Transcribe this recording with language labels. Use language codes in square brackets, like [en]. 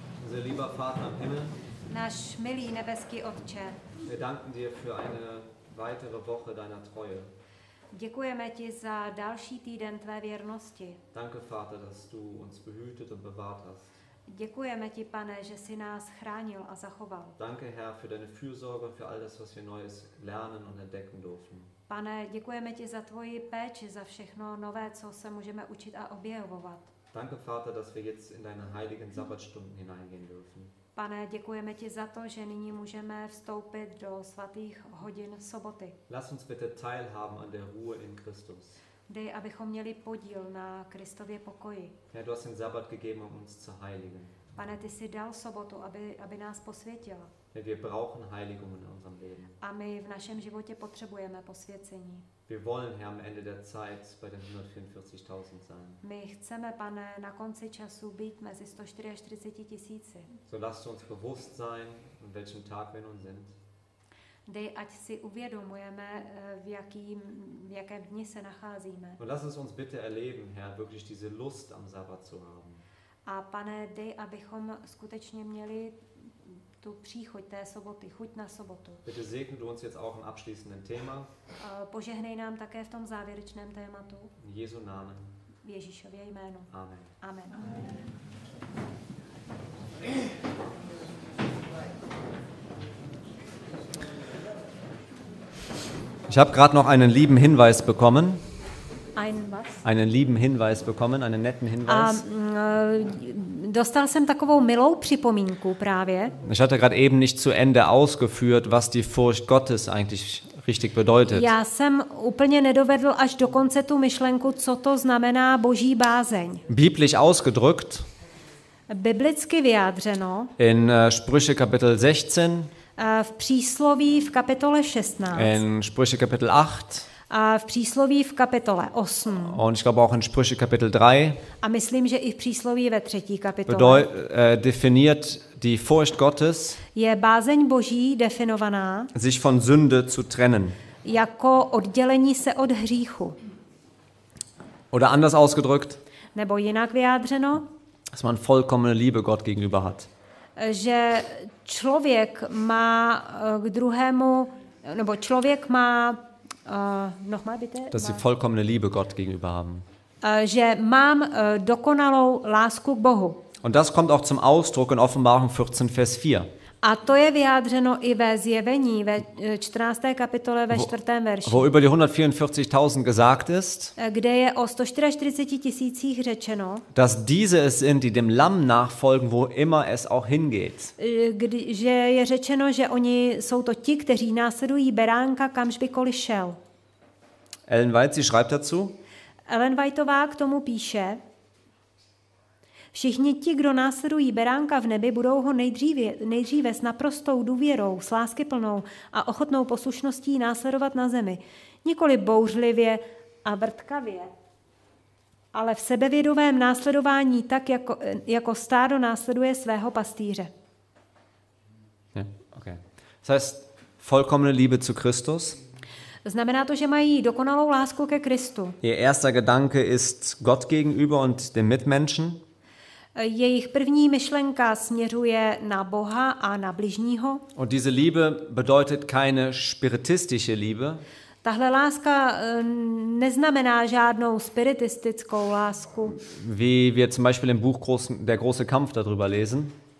[de] Sehr lieber Vater im Himmel. [cs] Náš milý nebeský Otče. [de] Wir danken dir für eine weitere Woche deiner Treue. [cs] Děkujeme ti za další týden tvé věrnosti. [de] Danke, Vater, dass du uns behütet und bewahrt hast. [cs] Děkujeme ti, Pane, že jsi nás chránil a zachoval. [de] Danke, Herr, für deine Fürsorge und für all das, was wir Neues lernen und entdecken dürfen. [cs] Pane, děkujeme ti za tvoji péči, za všechno nové, co se můžeme učit a objevovat. [de] Danke, Vater, dass wir jetzt in deine heiligen Sabbatstunden hineingehen dürfen. [cs] Pane, děkujeme ti za to, že nyní můžeme vstoupit do svatých hodin soboty. [de] Lass uns bitte teilhaben an der Ruhe in Christus. [cs] Dej, abychom měli podíl na Kristově pokoji. [de] Herr, du hast den Sabbat gegeben, um uns zu heiligen. [cs] Pane, ty jsi dal sobotu, aby nás posvětila. [de] Herr, wir brauchen Heiligung in unserem Leben. [cs] A my v našem životě potřebujeme posvěcení. [de] Wir wollen, Herr, am Ende der Zeit bei den 144.000 sein. [cs] My chceme, Pane, na konci času být mezi 144 tisíci. [de] So lasst uns bewusst sein, an welchem Tag wir nun sind. [cs] Dej, ať si uvědomujeme, v jakém dni se nacházíme. [de] Und lass es uns bitte erleben, Herr, wirklich diese Lust am Sabbat zu haben. [cs] A Pane, dej, abychom skutečně měli tu příchoď té soboty, chuť na sobotu. [de] Bitte segne du uns jetzt auch im abschließenden Thema. [cs] Požehnej nám také v tom závěrečném tématu. [de] In Jesu Namen. [cs] V Ježíšově jménu. [de] Amen. [cs] Amen. [de] Ich habe gerade noch einen lieben Hinweis bekommen. Einen was? Einen lieben Hinweis bekommen, einen netten Hinweis. [cs] Dostal jsem takovou milou připomínku právě. [de] Ich hatte gerade eben nicht zu Ende ausgeführt, was die Furcht Gottes eigentlich richtig bedeutet. [cs] Já jsem úplně nedovedl až do konce tu myšlenku, co to znamená Boží bázeň. [de] Biblisch ausgedrückt. [cs] Biblicky vyjádřeno. [de] In Sprüche Kapitel 16. [cs] V přísloví v kapitole 16. [de] In Sprüche Kapitel 8. [cs] A v přísloví v kapitole 8. [de] Und ich glaube auch in Sprüche Kapitel 3. [cs] A myslím, že i v přísloví ve třetí kapitole. [de] Definiert die Furcht Gottes. [cs] Je bázeň Boží definovaná. [de] Sich von Sünde zu trennen. [cs] Jako oddělení se od hříchu. [de] Oder anders ausgedrückt. [cs] Nebo jinak vyjádřeno. [de] Dass man vollkommene Liebe Gott gegenüber hat. [cs] Že člověk má k druhému, nebo člověk má [de] nochmal bitte. Dass sie vollkommene Liebe Gott gegenüber haben. [cs] Že mám dokonalou lásku k Bohu. [de] Und das kommt auch zum Ausdruck in Offenbarung 14, Vers 4. [cs] A to je vyjádřeno i ve zjevení, ve 14. kapitole, ve 4. verši. [de] Wo über die 144.000 gesagt ist, [cs] kde je o 144 tisících řečeno, [de] dass diese es sind, die dem Lamm nachfolgen, wo immer es auch hingeht. [cs] Že je řečeno, že oni jsou to ti, kteří následují beránka, kamž bykoliv šel. [de] Ellen White, sie schreibt dazu. [cs] Ellen Whiteová k tomu píše, všichni ti, kdo následují beránka v nebi, budou ho nejdříve s naprostou důvěrou, s láskyplnou a ochotnou poslušností následovat na zemi. Nikoli bouřlivě a vrtkavě, ale v sebevědomém následování tak, jako stádo následuje svého pastýře. [en] Yeah, okay. [de] Das heißt, vollkommene Liebe zu Christus. [cs] Znamená to, že mají dokonalou lásku ke Kristu. [de] Ihr erster Gedanke ist Gott gegenüber und dem Mitmenschen. [cs] Jejich první myšlenka směřuje na Boha a na bližního. [de] Und diese Liebe bedeutet keine spiritistische Liebe. [cs] Tahle láska neznamená žádnou spiritistickou lásku. [de] Wie wir zum Beispiel im Buch Der große Kampf darüber lesen.